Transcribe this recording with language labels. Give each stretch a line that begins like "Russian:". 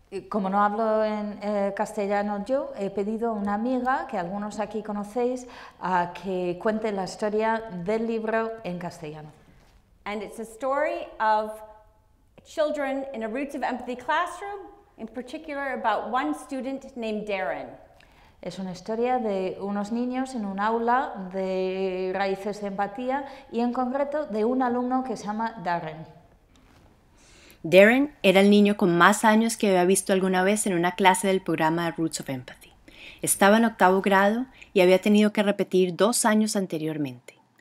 Spanish: Como no hablo en castellano yo, he pedido a una amiga, que algunos aquí conocéis, que cuente la historia del libro en castellano.
English: And it's a story of children in a Roots of Empathy classroom, in particular about one student named Darren.
Spanish: Es una historia de unos niños en un aula de Raíces de Empatía, y en concreto de un alumno que se llama Darren. Darren era el niño con más años que había visto alguna vez en una clase del programa Roots of Empathy. Estaba en octavo grado y había tenido que repetir 2 años anteriormente.